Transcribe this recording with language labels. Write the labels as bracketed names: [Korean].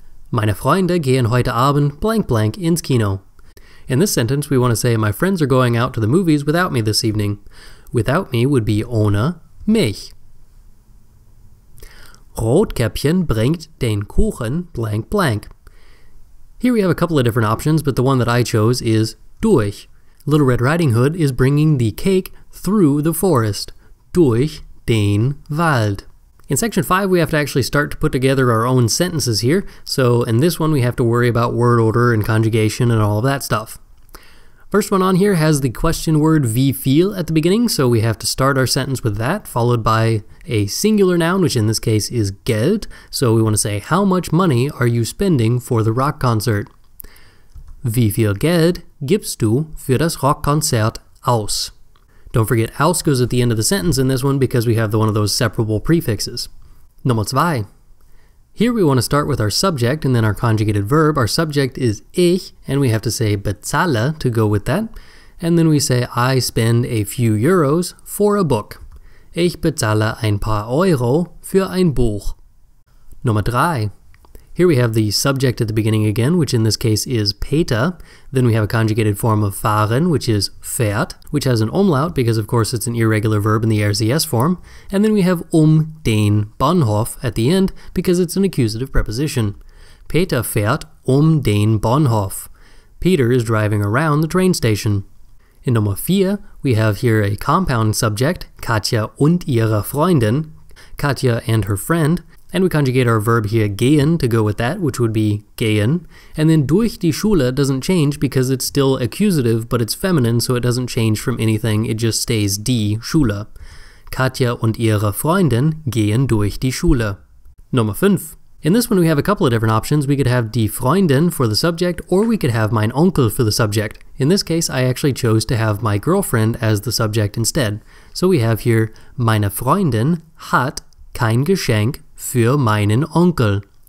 [German] Meine Freunde gehen heute Abend blank blank ins Kino. [English] In this sentence, we want to say my friends are going out to the movies without me this evening. Without me would be [German] ohne mich. Rotkäppchen bringt den Kuchen blank blank. [English] Here we have a couple of different options, but the one that I chose is durch. Little Red Riding Hood is bringing the cake through the forest. [German] Durch den Wald. [English] In section 5, we have to actually start to put together our own sentences here. So in this one, we have to worry about word order and conjugation and all of that stuff. First one on here has the question word wie viel at the beginning, so we have to start our sentence with that, followed by a singular noun, which in this case is Geld. So we want to say, how much money are you spending for the rock concert? [German] Wie viel Geld gibst du für das Rockkonzert aus? [English] Don't forget, aus goes at the end of the sentence in this one because we have one of those separable prefixes. [German] Nummer zwei. [English] Here we want to start with our subject and then our conjugated verb. Our subject is ich, and we have to say bezahle to go with that. And then we say, I spend a few euros for a book. [German] Ich bezahle ein paar Euro für ein Buch. Nummer drei. [English] Here we have the subject at the beginning again, which in this case is Peter. Then we have a conjugated form of fahren, which is fährt, which has an umlaut because, of course, it's an irregular verb in the RCS form. And then we have den Bahnhof at the end because it's an accusative preposition. [German] Peter fährt den Bahnhof. [English] Peter is driving around the train station. In Nummer 4, we have here a compound subject, [German] Katja und ihre Freundin, [English] Katja and her friend, and we conjugate our verb here gehen to go with that, which would be gehen, and then [German] durch die Schule [English] doesn't change because it's still accusative, but it's feminine, so it doesn't change from anything, it just stays die Schule. [German] Katja und ihre Freundin gehen durch die Schule. Nummer 5. [English] In this one, we have a couple of different options. We could have die Freundin for the subject, or we could have mein Onkel for the subject. In this case, I actually chose to have my girlfriend as the subject instead. So we have here, [German] meine Freundin hat kein Geschenk für meinen Onkel.